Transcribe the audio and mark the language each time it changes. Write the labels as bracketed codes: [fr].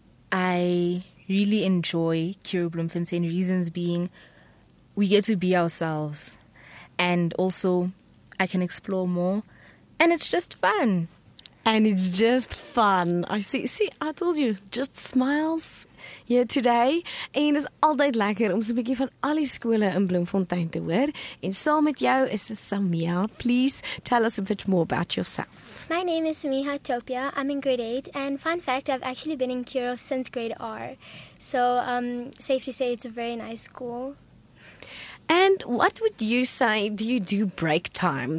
[en] I really enjoy Kiro Bloemfontein, reasons being we get to be ourselves. And also, I can explore more. And it's just fun. And it's just fun. I see. See, I told you, just smiles here today. [af] En is altyd lekker om so 'n bietjie van al die skole in Bloemfontein te hoor. En saam met jou is Samia. [en] Please tell us a bit more about yourself. My name is Samia Topia. I'm in grade 8. And fun fact, I've actually been in Kiro since grade R. So safe to say it's a very nice school. And what would you say, do you do break time?